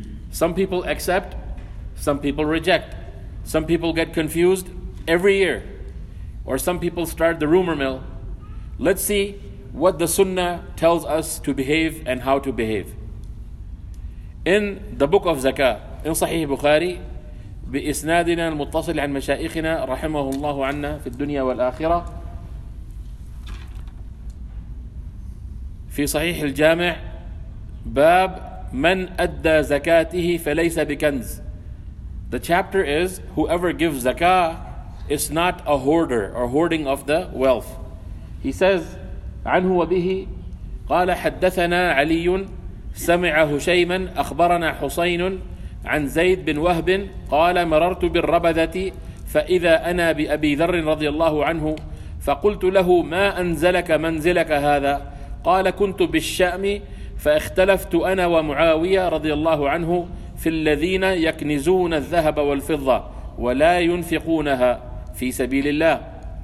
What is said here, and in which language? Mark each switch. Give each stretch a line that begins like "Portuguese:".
English: Some people accept, some people reject. Some people get confused every year. Or some people start the rumor mill. Let's see what the Sunnah tells us to behave and how to behave. In the book of Zakah, in Sahih Bukhari,
Arabic: بِإِسْنَادِنَا الْمُتَّصِلِ عَنْ مَشَائِخِنَا رَحِمَهُ اللَّهُ عَنَّا فِي الدُّنْيَا وَالْآخِرَةِ فِي صَحِيحِ الْجَامِعِ باب مَنْ أَدَّى زَكَاتِهِ فَلَيْسَ بِكَنْزِ.
English: The chapter is, whoever gives Zakah is not a hoarder or hoarding of the wealth. He says,
Arabic: عنه وبه قال حدثنا علي سمع هشيما أخبرنا حسين عن زيد بن وهب قال مررت بالربذة فإذا أنا بأبي ذر رضي الله عنه فقلت له ما أنزلك منزلك هذا؟ قال كنت بالشام فاختلفت أنا ومعاوية رضي الله عنه في الذين يكنزون الذهب والفضة ولا ينفقونها في سبيل الله.